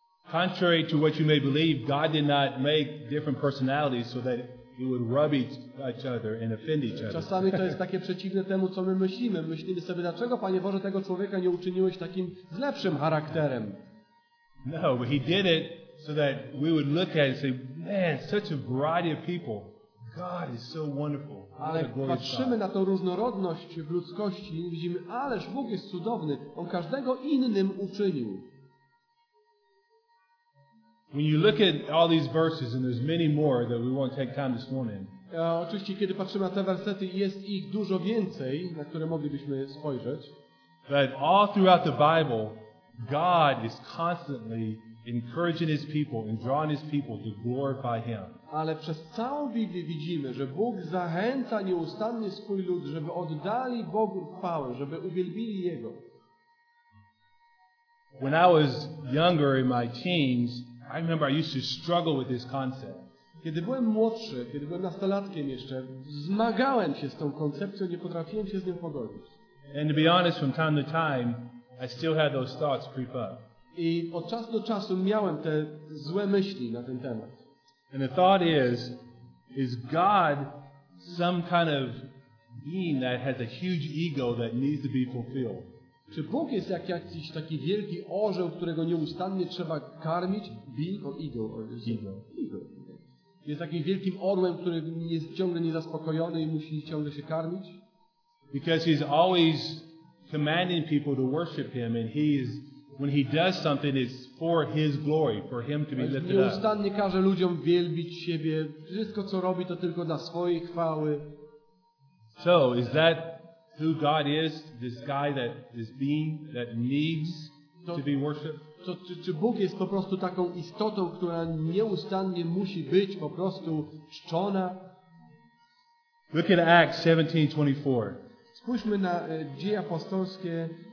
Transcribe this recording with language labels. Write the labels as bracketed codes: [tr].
[en] Contrary to what you may believe, God did not make different personalities so that we would rub each other and offend each other. [pl] Czasami to jest takie przeciwne temu, co my myślimy. Myślimy sobie, dlaczego, Panie Boże, tego człowieka nie uczyniłeś takim z lepszym charakterem? [en] No, but He did it so that we would look at it and say, man, such a variety of people. God is so wonderful. [pl] Ale patrzymy na tą różnorodność w ludzkości i widzimy, ależ Bóg jest cudowny. On każdego innym uczynił. [en] When you look at all these verses, and there's many more that we won't take time this morning. [pl] Oczywiście, kiedy patrzymy na te wersety, jest ich dużo więcej, na które moglibyśmy spojrzeć. [en] But all throughout the Bible, God is constantly encouraging His people and drawing His people to glorify Him. [pl] Ale przez całą Biblię widzimy, że Bóg zachęca nieustannie swój lud, żeby oddali Bogu chwałę, żeby uwielbili Jego. [en] When I was younger in my teens, I remember I used to struggle with this concept. [pl] Kiedy byłem młodszy, kiedy byłem nastolatkiem jeszcze, zmagałem się z tą koncepcją, nie potrafiłem się z nią pogodzić. [en] And to be honest, from time to time, I still had those thoughts creep up. [pl] I od czasu do czasu miałem te złe myśli na ten temat. [en] And the thought is God some kind of being that has a huge ego that needs to be fulfilled? [pl] Czy Bóg jest jak jakiś taki wielki orzeł, którego nieustannie trzeba karmić? Ego. Jest takim wielkim orłem, który jest ciągle niezaspokojony i musi ciągle się karmić? [en] Because He's always commanding people to worship Him, and He is. When He does something, it's for His glory, for Him to be lifted [pl] nieustannie [en] up. [pl] Nieustannie każe ludziom wielbić siebie. Wszystko, co robi, to tylko dla swojej chwały. [en] So, is that who God is? This guy that is being, that needs to be worshipped? [pl] Czy Bóg jest po prostu taką istotą, która nieustannie musi być po prostu czczona? [en] Look at Acts 17:24. [pl] Spójrzmy na Dzieje Apostolskie.